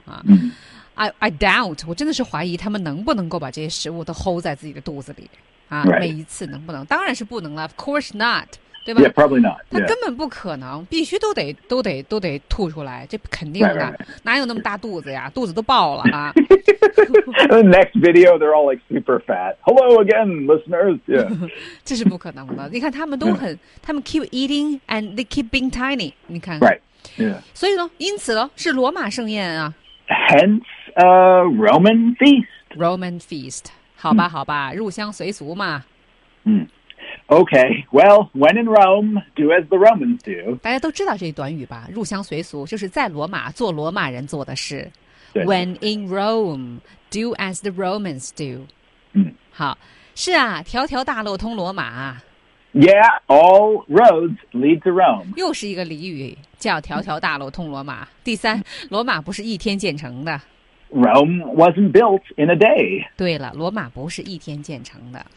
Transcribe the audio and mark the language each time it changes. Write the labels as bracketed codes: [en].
[en] Yeah. I doubt, [zh] 我真的是怀疑他们能不能够把这些食物都 hold 在自己的肚子里。 [en] Right. [zh] 每一次能不能，当然是不能了 , [en] of course not. [zh] 对吧 [en] ?Yeah, probably not. [zh] 他根本不可能、 [en] yeah. [zh] 必须都得吐出来，这肯定的。 [en] Right, right, right. [zh] 哪有那么大肚子呀，肚子都爆了啊。 [en] The next video, they're all like super fat. Hello again, listeners. Yeah. [zh] 这是不可能的。你看他们都很、yeah. 他们 [en] keep eating and they keep being tiny. [zh] 你看。 [en] Right. Yeah. [zh] 所以呢，因此呢，是罗马盛宴啊。 [en] Hence, Roman feast. Roman feast. [zh] 好吧，好吧，入乡随俗嘛。 [en] 嗯 ，Okay. Well, when in Rome, do as the Romans do. [zh] 大家都知道这一短语吧？入乡随俗就是在罗马做罗马人做的事。对 [en] when in Rome, do as the Romans do. [zh] 嗯，好，是啊，条条大路通罗马。 [en] Yeah, all roads lead to Rome. [zh] 又是一个俚语，叫条条大路通罗马。第三，罗马不是一天建成的。 [en] Rome wasn't built in a day. [zh] 对了，罗马不是一天建成的。